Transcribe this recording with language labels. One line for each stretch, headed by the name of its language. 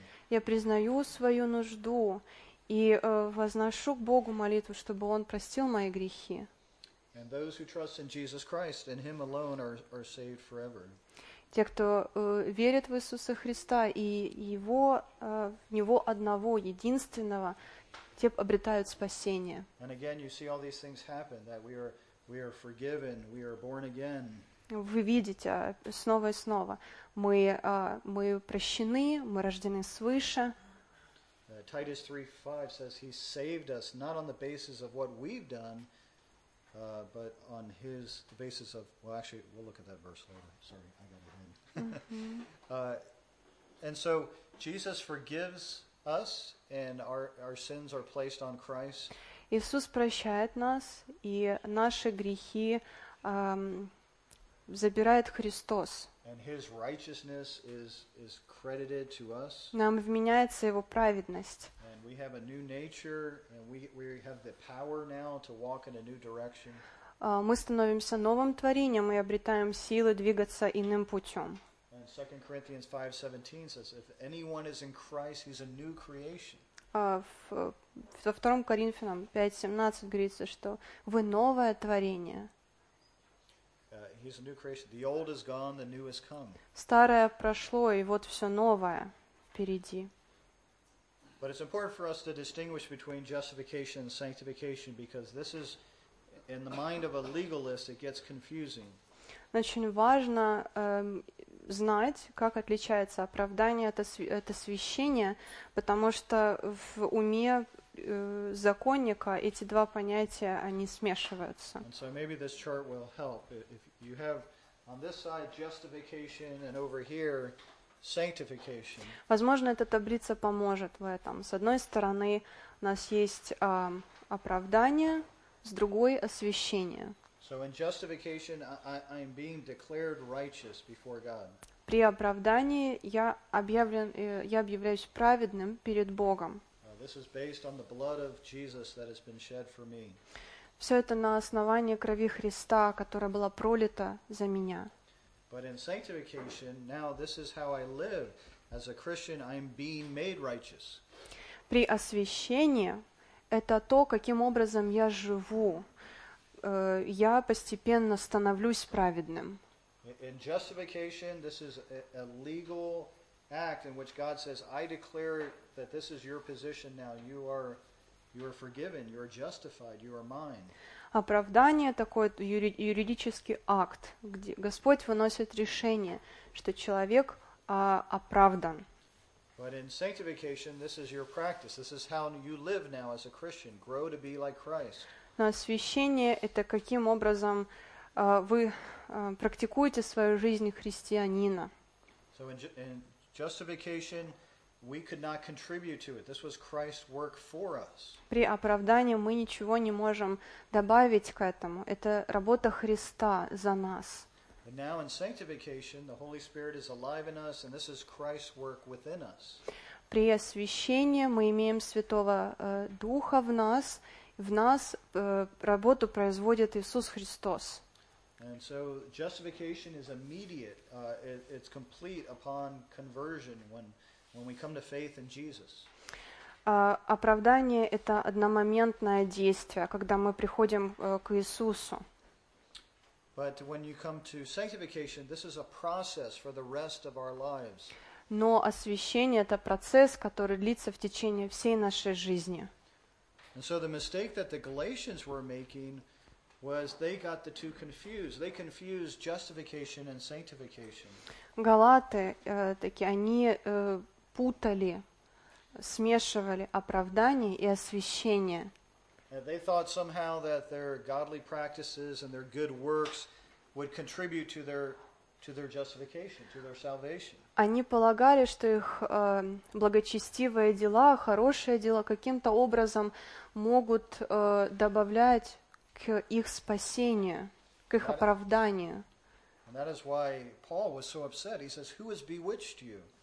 Russian: Я признаю свою нужду и возношу к Богу молитву, чтобы Он простил мои грехи.
English: And those who trust in Jesus Christ and Him alone are saved forever.
Russian: Те, кто верит в Иисуса Христа и Его, Него одного, единственного, те обретают спасение.
English: And again, you see all these things happen, that we are forgiven, we are born again.
Russian: Вы видите снова и снова. Мы прощены, мы рождены свыше.
English: Titus 3:5 says He saved us not on the basis of what we've done, but on His, the basis of, well, actually, we'll look at that verse later. Sorry, I got it wrong. And so, Jesus forgives us, and our sins are placed on Christ.
Russian: Иисус прощает нас, и наши грехи забирает Христос.
English: And His righteousness is credited to us.
Russian: Нам вменяется Его праведность.
English: And we have a new nature, and we have the power now to walk in a new direction.
Russian: Мы становимся новым творением и обретаем силы двигаться иным путем.
English: And 2 Corinthians 5:17 says, if anyone is in Christ, he's a new creation.
Russian: Во 2 Коринфянам 5:17 говорится, что вы новое творение.
English: He's a new creation. The old is gone, the new has come.
Russian: Старое прошло, и вот все новое впереди.
English: But it's important for us to distinguish between justification and sanctification, because this is, in the mind of a legalist, it gets confusing.
Russian: Очень важно знать, как отличается оправдание от освящения, потому что в уме законника эти два понятия, они смешиваются.
English: And so maybe this chart will help. If you have on this side justification and over here sanctification.
Russian: Возможно, эта таблица поможет в этом. С одной стороны, у нас есть оправдание, с другой — освящение.
English: So in justification, I'm being declared righteous before God.
Russian: При оправдании я объявляюсь праведным перед Богом.
English: This is based on the blood of Jesus that has been shed for me.
Russian: Все это на основании крови Христа, которая была пролита за меня.
English: But in sanctification, now this is how I live. As a Christian, I'm being made righteous.
Russian: При освящении это то, каким образом я живу. Я постепенно становлюсь праведным.
English: In justification, this is a legal act in which God says, I declare that this is your position now. You are forgiven, you are justified, you are mine.
Russian: Оправдание — такой юридический акт, где Господь выносит решение, что человек оправдан.
English: But in sanctification, this is your practice. This is how you live now as a Christian. Grow to be like Christ.
Russian: Но освящение — это каким образом вы практикуете свою жизнь христианина.
English: So in justification, we could not contribute to it. This was Christ's work for us.
Russian: При оправдании мы ничего не можем добавить к этому. Это работа Христа за нас.
English: But now in sanctification, the Holy Spirit is alive in us, and this is Christ's work within us.
Russian: При освящении мы имеем Святого Духа в нас. В нас работу производит Иисус Христос.
English: And so justification is immediate. It's complete upon conversion when we come to faith in Jesus.
Russian: Оправдание — это одномоментное действие, когда мы приходим к Иисусу.
English: But when you come to sanctification, this is a process for the rest of our lives.
Russian: Но освящение — это процесс, который длится в течение всей нашей жизни.
English: And so the mistake that the Galatians were making was they got the two confused. They confused justification and sanctification.
Russian: Галаты, такие, они путали, смешивали оправдание и освящение.
English: They thought somehow that their godly practices and their good works would contribute to their justification, to their salvation.
Russian: Они полагали, что их благочестивые дела, хорошие дела каким-то образом могут добавлять к их спасению, к их оправданию.
English: And that is why Paul was so upset. He says, "Who has bewitched you?"